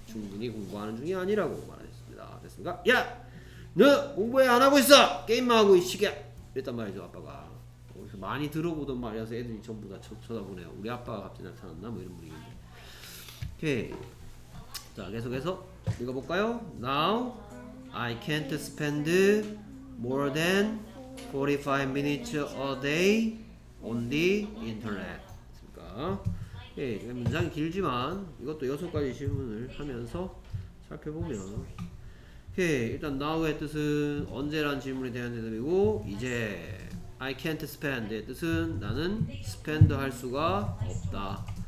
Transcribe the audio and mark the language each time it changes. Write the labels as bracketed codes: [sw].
[ko] 충분히 공부하는 중이 아니라고 말했습니다. 됐습니까? 야! 너 공부 왜 안 하고 있어? 게임만 하고 이 시계! 이랬단 말이죠, 아빠가. 거기서 많이 들어보던 말이어서 애들이 전부 다 쳐다보네요. 우리 아빠가 갑자기 나타났나? 뭐 이런 분위기인데. 오케이. 자, 계속해서 읽어볼까요? [en] Now, I can't spend more than 45 minutes a day on the internet. [ko] 됐습니까? 오케이. 문장이 길지만 이것도 여섯 가지 질문을 하면서 살펴보면. 오케이. 일단 now의 뜻은 언제란 질문에 대한 대답이고, 이제 [en] I can't spend [ko] 의 뜻은 나는 spend 할 수가 없다.